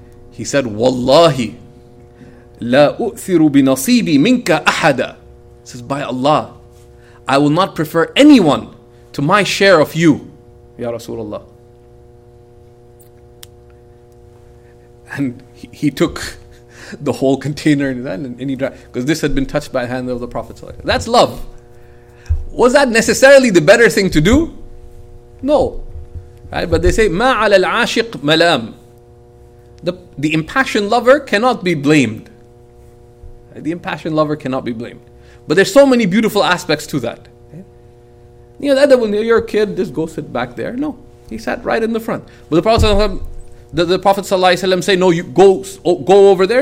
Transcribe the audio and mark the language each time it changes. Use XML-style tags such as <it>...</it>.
<en>He said,</en> <ar>وَاللَّهِ لا أؤثر بنصيبي منك أحدا.</ar> <en>Says, by Allah, I will not prefer anyone to my share of you, Ya Rasulullah. And he took the whole container in his hand, and he dragged, because this had been touched by the hand of the Prophet. That's love. Was that necessarily the better thing to do? No. Right? But they say,</en> <ar>ما على العاشق ملام.</ar> <en>The impassioned lover cannot be blamed. The impassioned lover cannot be blamed. But there's so many beautiful aspects to that. You know, the adab, when you're a kid, just go sit back there. No, he sat right in the front. But the Prophet ﷺ say, no, you go over there?</en>